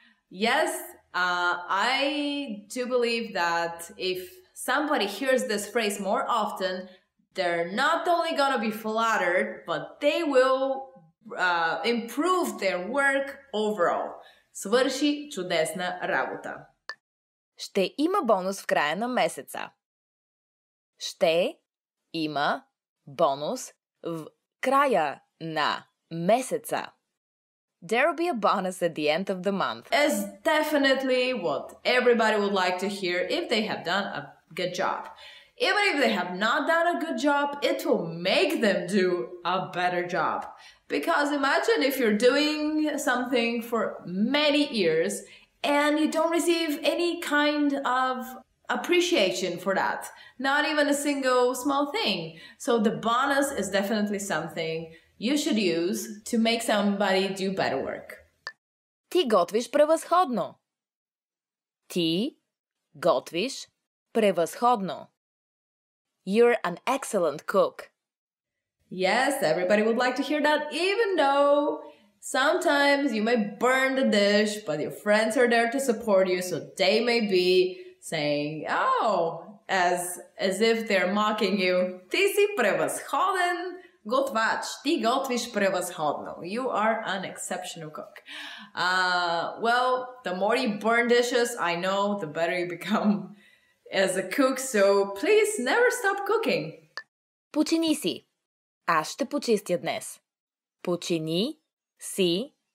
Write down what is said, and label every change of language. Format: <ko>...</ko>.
<en>Yes, I do believe that if somebody hears this phrase more often, they're not only gonna be flattered, but they will improve their work overall.</en> <bg>Свърши чудесна работа. Ще има бонус в края на месеца. Ще има бонус в края на месеца.</bg> <en>There'll be a bonus at the end of the month. It's definitely what everybody would like to hear if they have done a good job. Even if they have not done a good job, it will make them do a better job. Because imagine if you're doing something for many years and you don't receive any kind of appreciation for that. Not even a single small thing. So the bonus is definitely something you should use to make somebody do better work.</en> <bg>Ти готвиш превъзходно. Ти готвиш превъзходно.</bg> <en>You're an excellent cook. Yes, everybody would like to hear that, even though sometimes you may burn the dish, but your friends are there to support you, so they may be saying, oh, as if they're mocking you.</en> <bg>Ти си превъзходен готвач. Ти готвиш превъзходно.</bg> <en>You are an exceptional cook. Well, the more you burn dishes, I know, the better you become as a cook, so please never stop cooking.</en> <bg>Почини си. Аз ще почистя днес. Почини си.</bg>